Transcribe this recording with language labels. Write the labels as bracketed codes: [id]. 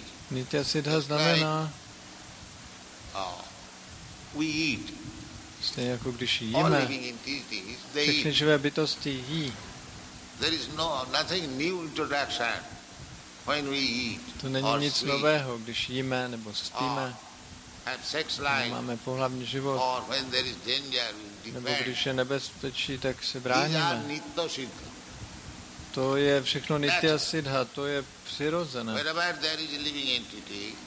[cs] Nitya Siddha znamená stejně jako když jíme. Všechny živé bytosti jí. [en] There is nothing new introduction when we eat. [cs] To není nic nového, když jíme nebo spíme. [en] Sex life, [cs] máme pohlavní život. [en] Or when there is danger, [cs] nebo když je nebezpečí, tak se bráníme. To je všechno nitya siddha, to je přirozené. [en] Wherever there is a living entity,